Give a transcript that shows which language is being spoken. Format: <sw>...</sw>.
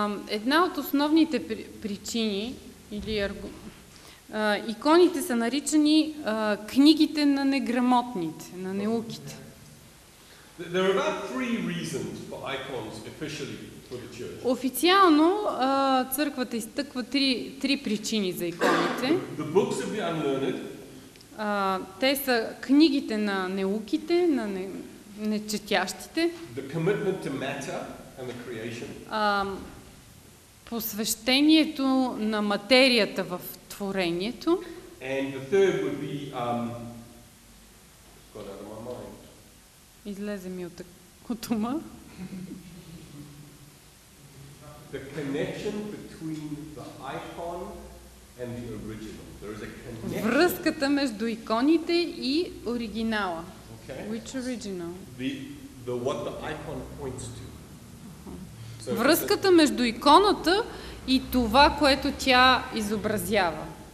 <bg>Една от основните причини или иконите са наричани книгите на неграмотните, на неуките.</bg> <en>There are about three reasons for icons officially for the church.</en> <bg>Официално църквата изтъква три причини за иконите.</bg> <en>The books of the unlearned.</en> <bg>Те са книгите на неуките, на нечетящите.</bg> <en>The commitment to matter and the creation.</en> <bg>Посвещението на материята в творението.</bg> <en>And the third would be got out of my mind.</en> <bg>Излезе ми от ума.</bg> <en>The connection between the icon and the original. There is a connection.</en> <bg>Връзката между иконите и оригинала.</bg> <en>Okay. Which original? The what the icon points to.</en> <bg>Връзката между иконата и това, което тя изобразява.</bg>